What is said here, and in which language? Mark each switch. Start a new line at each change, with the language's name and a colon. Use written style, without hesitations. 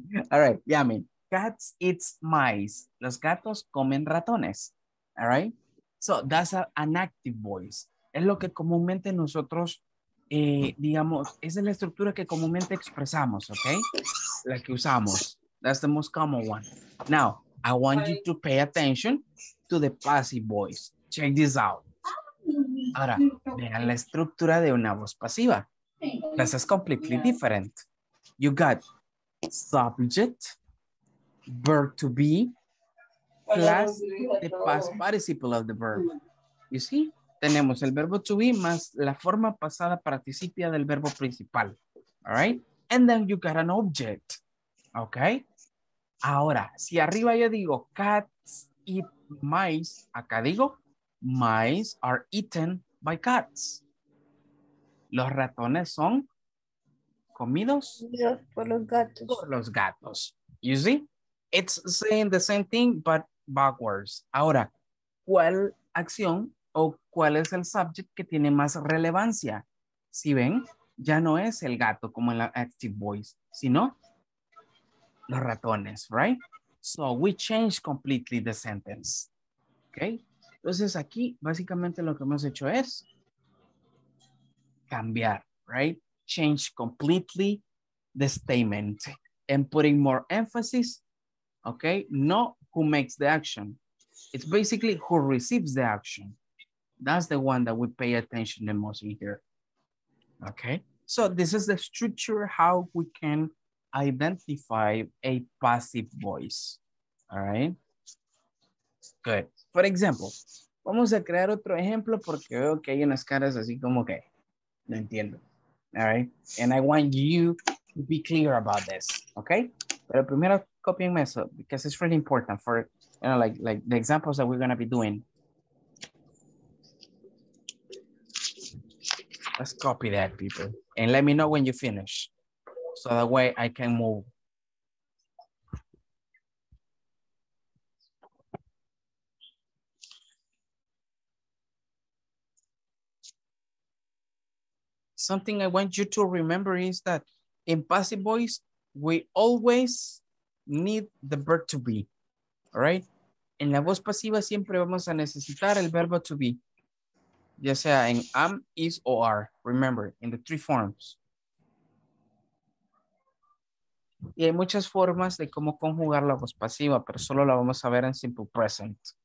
English: All right, yeah, I mean, cats eats mice.
Spanish: Los gatos comen ratones.
English: All right? So, that's an active voice.
Spanish: Es lo que comúnmente nosotros digamos, esa es la estructura que comúnmente expresamos, okay? La que usamos.
English: That's the most common one. Now, I want you to pay attention to the passive voice. Check this out.
Spanish: Ahora, vean la estructura de una voz pasiva.
English: This is completely different. You got subject, verb to be, plus the past participle of the verb. You see?
Spanish: Tenemos el verbo to be más la forma pasada participia del verbo principal.
English: All right? And then you got an object. Okay?
Spanish: Ahora, si arriba yo digo
English: cats eat mice,
Spanish: acá digo
English: mice are eaten by cats.
Spanish: Los ratones son comidos por los gatos. Por los gatos.
English: You see? It's saying the same thing, but backwards.
Spanish: Ahora, ¿cuál acción? ¿O cuál es el subject que tiene más relevancia? Si ven, ya no es el gato como en la active voice, sino los ratones, right?
English: So we change completely the sentence, okay?
Spanish: Entonces aquí básicamente lo que hemos hecho es cambiar, right?
English: Change completely the statement and putting more emphasis, okay? No who makes the action. It's basically who receives the action. That's the one that we pay attention the most in here. Okay, so this is the structure how we can identify a passive voice. All right, good. For example,
Spanish: vamos a crear otro ejemplo porque veo que hay unas caras así como que no entiendo.
English: All right, and I want you to be clear about this. Okay,
Spanish: pero primero copienme eso
English: because it's really important for, you know, like the examples that we're gonna be doing. Let's copy that, people. And let me know when you finish. So that way I can move. Something I want you to remember is that in passive voice, we always need the verb to be.
Spanish: All right? En la voz pasiva siempre vamos a necesitar el verbo to be. ya sea en am, is, o are.
English: Remember, in the three forms.
Spanish: Y hay muchas formas de cómo conjugar la voz pasiva, pero solo la vamos a ver en simple present.